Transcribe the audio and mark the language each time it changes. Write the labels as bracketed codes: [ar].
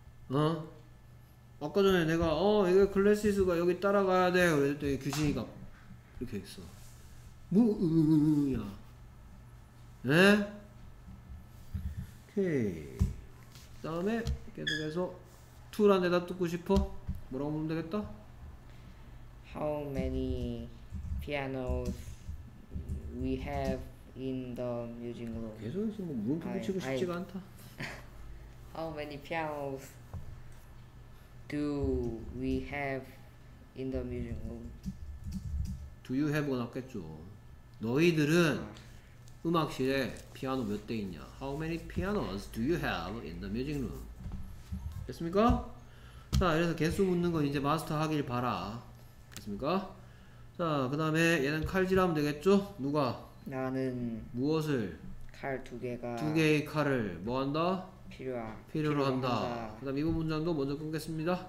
[ko] 응? 어? 아까 전에 내가 이거 글래시스가 여기 따라가야 돼 그랬더니 귀신이가 이렇게 했어. 뭐야? 네? 오케이. 다음에 계속해서 2란 대답 듣고 싶어? 뭐라고 보면 되겠다? [en] How many pianos we have in the music room? [ko] 계속해서 뭐 물음표 치고 싶지가 않다. [en] How many pianos do we have in the music room? [ko] Do you have가 낫겠죠? 너희들은 음악실에 피아노 몇 대 있냐? [en] How many pianos do you have in the music room? [ko] 됐습니까? 자, 이래서 개수 묻는 건 이제 마스터 하길 바라. 됐습니까? 자, 그 다음에 얘는 칼질 하면 되겠죠? 누가? 나는 무엇을? 칼 두 개가 두 개의 칼을 뭐 한다? 필요한다. 그 다음 이번 문장도 먼저 끊겠습니다.